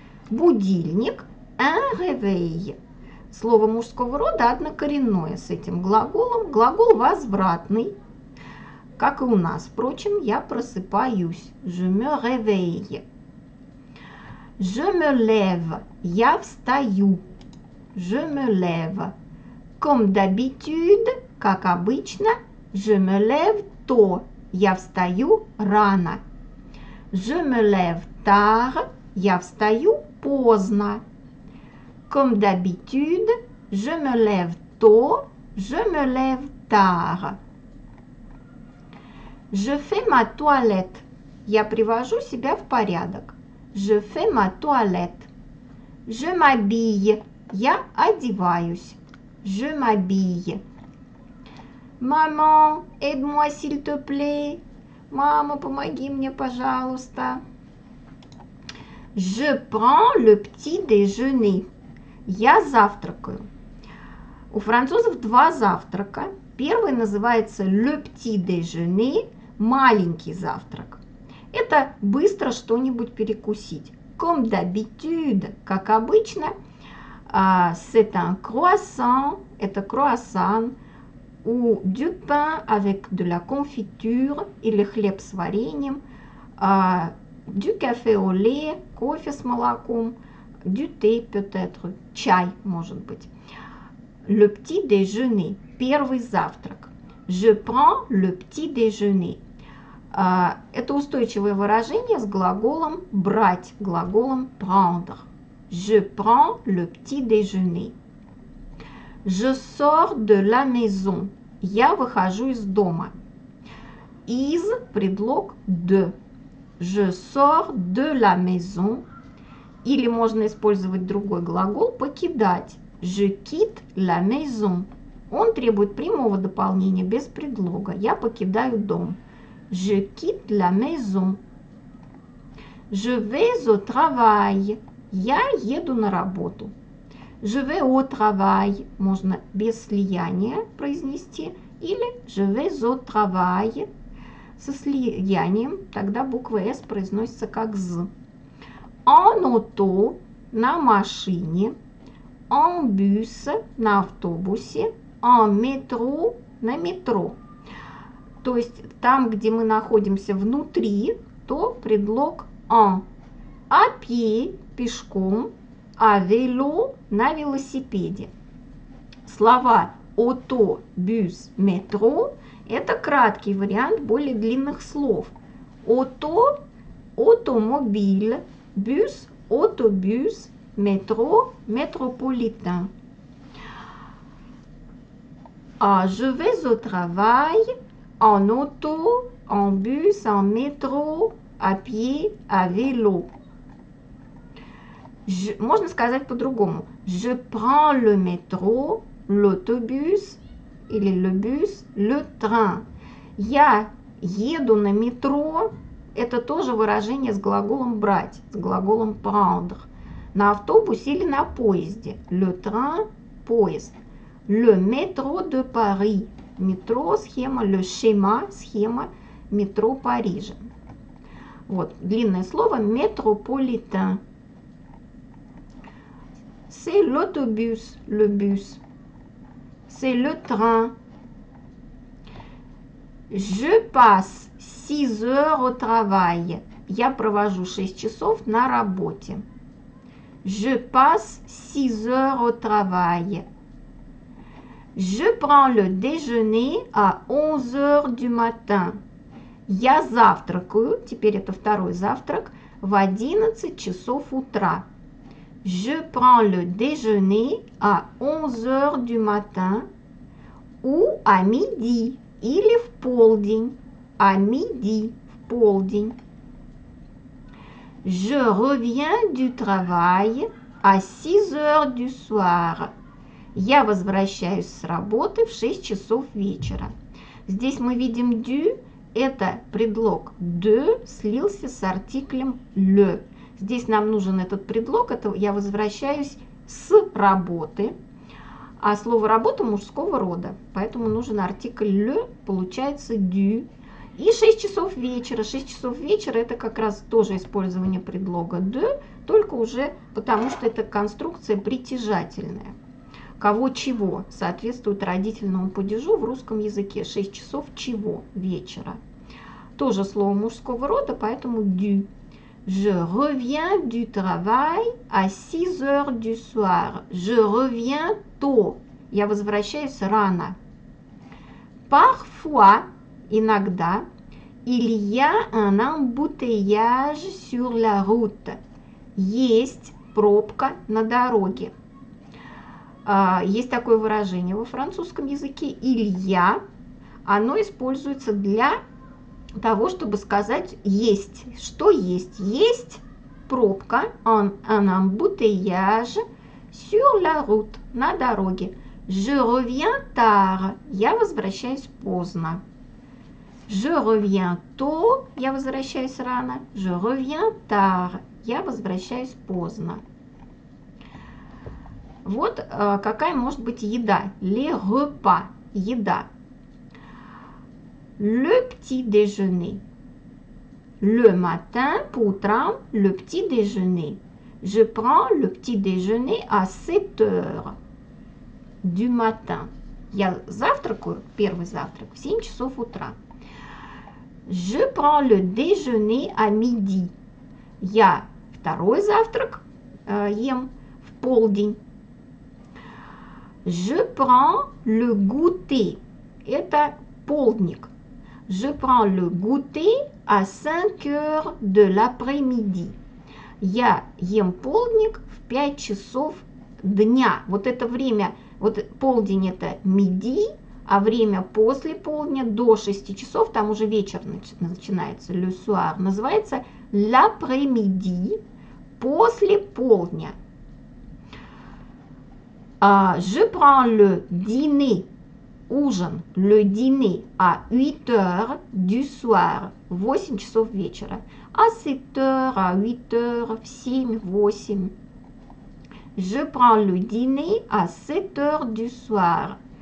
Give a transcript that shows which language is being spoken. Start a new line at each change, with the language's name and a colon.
Russian: Будильник
French: – un réveil.
Russian: Слово мужского рода однокоренное с этим глаголом. Глагол возвратный. Как и у нас, впрочем, я просыпаюсь.
French: Je me réveille. Je me lève.
Russian: Я встаю.
French: Je me lève. Comme d'habitude,
Russian: как обычно,
French: je me lève tôt.
Russian: Я встаю рано.
French: Je me lève tard.
Russian: Я встаю поздно.
French: Comme d'habitude, je me lève tôt. Je me lève tard. Je fais ma toilette.
Russian: Я привожу себя в порядок.
French: Je fais ma toilette. Je m'habille.
Russian: Я одеваюсь.
French: Je m'habille. Maman, aide-moi, s'il te plaît.
Russian: Мама, помоги мне, пожалуйста.
French: Je prends le petit déjeuner.
Russian: Я завтракаю. У французов два завтрака. Первый называется
French: le petit déjeuner,
Russian: маленький завтрак. Это быстро что-нибудь перекусить.
French: Comme d'habitude,
Russian: как обычно,
French: c'est un croissant,
Russian: это круассан,
French: ou du pain avec de la confiture,
Russian: или хлеб с вареньем,
French: du café au lait,
Russian: кофе с молоком,
French: du thé peut-être,
Russian: чай, может быть.
French: Le petit déjeuner,
Russian: первый завтрак.
French: Je prends le petit déjeuner.
Russian: Это устойчивое выражение с глаголом брать, глаголом prendre.
French: Je prends le petit déjeuner. Je sors de la maison.
Russian: Я выхожу из дома. Из предлог de.
French: Je sors de la maison.
Russian: Или можно использовать другой глагол покидать.
French: Je quitte la maison.
Russian: Он требует прямого дополнения без предлога. Я покидаю дом.
French: Je quitte la maison. Je vais au travail.
Russian: Я еду на работу.
French: Je vais au travail.
Russian: Можно без слияния произнести.
French: Или je vais au travail.
Russian: Со слиянием тогда буква S произносится как Z.
French: En auto.
Russian: На машине.
French: En bus.
Russian: На автобусе.
French: En métro.
Russian: На метро. То есть там, где мы находимся внутри, то предлог en.
French: À pied,
Russian: пешком,
French: à vélo,
Russian: на велосипеде. Слова auto, bus, метро – это краткий вариант более длинных слов.
French: Auto – automobile, bus – autobus, метро – métropolitain. Je vais au travail. En auto, en bus, en métro, à pied, à vélo.
Russian: Можно сказать по-другому.
French: Je prends le métro, l'autobus, или le bus, le train.
Russian: Я еду на метро. Это тоже выражение с глаголом брать, с глаголом prendre. На автобусе или на поезде.
French: Le train,
Russian: поезд.
French: Le métro de Paris.
Russian: Метро, схема, le schéma, схема метро Парижа. Вот, длинное слово, métropolitain.
French: C'est l'autobus, le bus. C'est le train. Je passe 6 heures au travail.
Russian: Я провожу 6 часов на работе.
French: Je passe 6 heures au travail. Je prends le déjeuner à 11 heures du matin.
Russian: Я завтракаю, теперь это второй завтрак, в 11 часов утра.
French: Je prends le déjeuner à 11 heures du matin. Ou à midi,
Russian: или в полдень.
French: À midi,
Russian: в полдень.
French: Je reviens du travail à 6 heures du soir.
Russian: Я возвращаюсь с работы в 6 часов вечера. Здесь мы видим du, это предлог de, слился с артиклем le. Здесь нам нужен этот предлог, это я возвращаюсь с работы. А слово «работа» мужского рода, поэтому нужен артикль «le», получается «du». И 6 часов вечера. 6 часов вечера – это как раз тоже использование предлога «de», только уже потому, что это конструкция притяжательная. Кого чего соответствует родительному падежу в русском языке? 6 часов чего вечера. Тоже слово мужского рода, поэтому «du».
French: Je reviens du travail à 6 heures du soir. Je reviens tôt.
Russian: Я возвращаюсь рано.
French: Parfois,
Russian: иногда,
French: il y a un embouteillage sur la route.
Russian: Есть пробка на дороге. Есть такое выражение во французском языке.
French: Il y a.
Russian: Оно используется для того, чтобы сказать «есть». Что есть? Есть пробка,
French: un embouteillage sur la route,
Russian: на дороге.
French: Je reviens tard,
Russian: я возвращаюсь поздно.
French: Je reviens tôt,
Russian: я возвращаюсь рано.
French: Je reviens tard,
Russian: я возвращаюсь поздно. Вот какая может быть еда.
French: Les repas, еда. Le petit déjeuner. Le matin,
Russian: по утрам,
French: le petit déjeuner. Je prends le petit déjeuner à 7 heures du matin.
Russian: Я завтракаю, первый завтрак, в 7 часов утра.
French: Je prends le déjeuner à midi.
Russian: Я второй завтрак ем в полдень.
French: Je prends le goûter.
Russian: Это полдник.
French: Je prends le goûter à 5 heures de l'après-midi.
Russian: Я ем полдник в 5 часов дня. Вот это время, вот полдень это midi, а время после полдня до 6 часов, там уже вечер начинается,
French: le soir,
Russian: называется
French: l'après-midi,
Russian: после полдня.
French: Je prends le dîner.
Russian: Ужин,
French: le dîner, à 8 heures du soir,
Russian: 8 часов вечера.
French: À 7 heures, à 8 heures,
Russian: в 7-8.
French: Je prends le dîner à 7 heures du soir.